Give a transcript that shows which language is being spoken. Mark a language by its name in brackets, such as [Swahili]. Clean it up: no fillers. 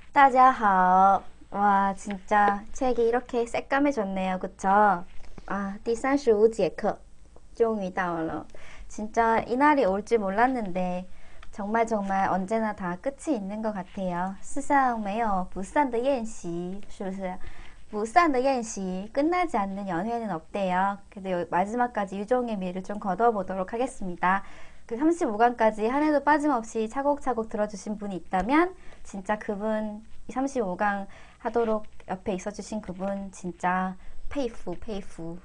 [Chinese] 大家好，哇， [Korean] 진짜 책이 이렇게 새까매졌네요, 그쵸? [Chinese] 아, 第35节课, 终于到了。 [Korean] 진짜 이날이 올줄 몰랐는데, 정말 정말 언제나 다 끝이 있는 것 같아요. [Chinese] 世上没有不散的宴席, 是不是? 不散的宴席, [Korean] 끝나지 않는 연회는 없대요. 그래도 마지막까지 유종의 미를 좀 거둬보도록 하겠습니다. 그 35강까지 한 해도 빠짐없이 차곡차곡 들어주신 분이 있다면, 진짜 그분, 35강 하도록 옆에 있어주신 그분, 진짜, 페이프, 페이프.